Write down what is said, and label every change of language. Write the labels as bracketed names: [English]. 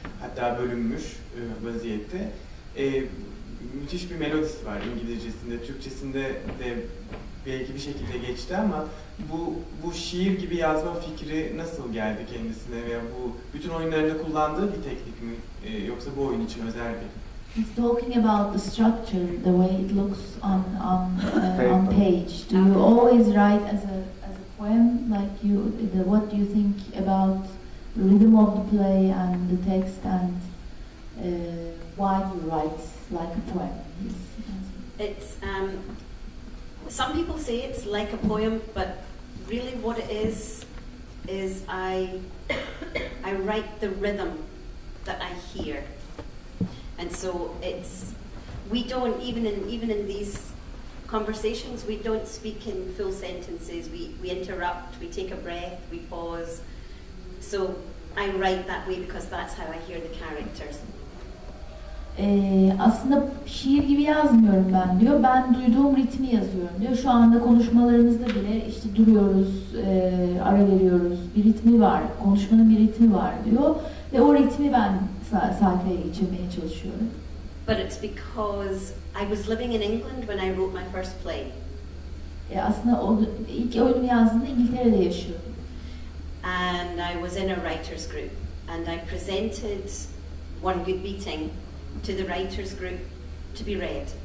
[Turkish] Hatta bölünmüş vaziyette. Müthiş bir melodisi var İngilizcesinde, Türkçesinde de belki bir şekilde geçti ama bu şiir gibi yazma fikri nasıl geldi kendisine veya bu bütün oyunlarında kullandığı bir teknik mi yoksa bu oyun için özel bir? [English] He's talking about the structure, the way it looks on page. Do you always write as a poem, like you what do you think about the rhythm of the play and the text and why do you write like a poem? Some people say it's like a poem, but really what it is I write the rhythm that I hear. And so it's, we don't, even in these conversations, we don't speak in full sentences. We interrupt, we take a breath, we pause. So I write that way because that's how I hear the characters. [Turkish] Aslında şiir gibi yazmıyorum ben diyor. Ben duyduğum ritmi yazıyorum diyor. Şu anda konuşmalarımızda bile işte duruyoruz, ara veriyoruz. Bir ritmi var, konuşmanın bir ritmi var diyor. Ve o ritmi ben sayfaya geçirmeye çalışıyorum. [English] But it's because I was living in England when I wrote my first play. [Turkish] Aslında ilk oyunumu yazdığımda İngiltere'de yaşıyordum. [English] And I was in a writers group and I presented One Good Beating to the writers group to be read.